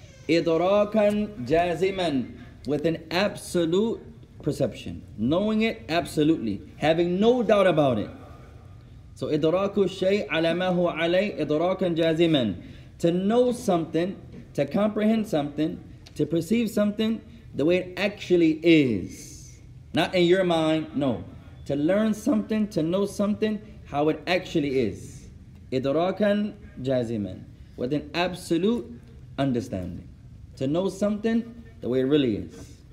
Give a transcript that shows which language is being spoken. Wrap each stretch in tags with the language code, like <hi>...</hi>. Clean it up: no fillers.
<ar>إدراكا جازما,</ar> <en>with an absolute perception. Knowing it absolutely. Having no doubt about it.</en> <ar>So إدراك الشيء على ما هو عليه إدراكا جازما.</ar> <en>To know something, to comprehend something, to perceive something the way it actually is. Not in your mind, no. To learn something, to know something, how it actually is.</en> <ar>إدراكاً جازماً.</ar> <en>With an absolute understanding. To know something the way it really is.</en>